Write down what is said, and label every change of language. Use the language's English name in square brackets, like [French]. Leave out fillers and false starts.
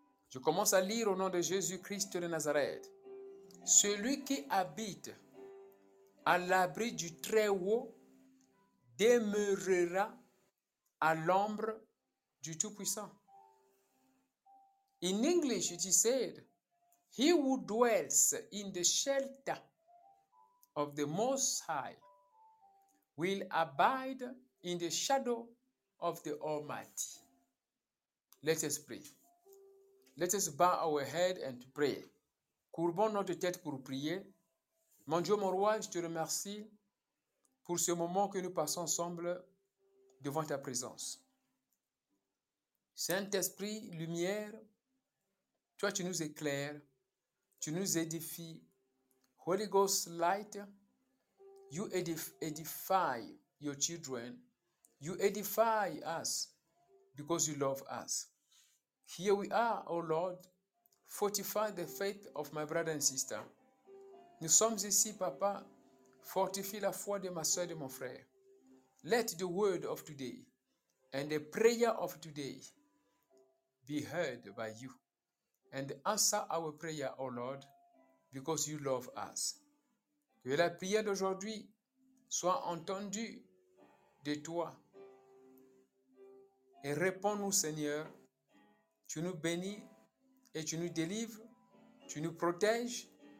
[French] Je commence à lire au nom de Jésus-Christ de Nazareth. Celui qui habite à l'abri du Très-Haut demeurera à l'ombre du Tout-Puissant. [English] In English, it is said, he who dwells in the shelter of the Most High will abide in the shadow of the Almighty. Let us pray. Let us bow our head and pray. [French] Courbons notre tête pour prier. Mon Dieu, mon roi, je te remercie pour ce moment que nous passons ensemble devant ta présence. Saint-Esprit, lumière, toi tu nous éclaires, tu nous édifies. [English] Holy Ghost, light, you edify your children. You edify us because you love us. Here we are, O Lord, fortify the faith of my brother and sister. [French] Nous sommes ici, Papa, fortifie la foi de ma soeur et de mon frère. [English] Let the word of today and the prayer of today be heard by you. And answer our prayer, O Lord, because you love us. [French] Que la prière d'aujourd'hui soit entendue de toi. Et réponds-nous, Seigneur, tu nous bénis et tu nous délivres, tu nous protèges.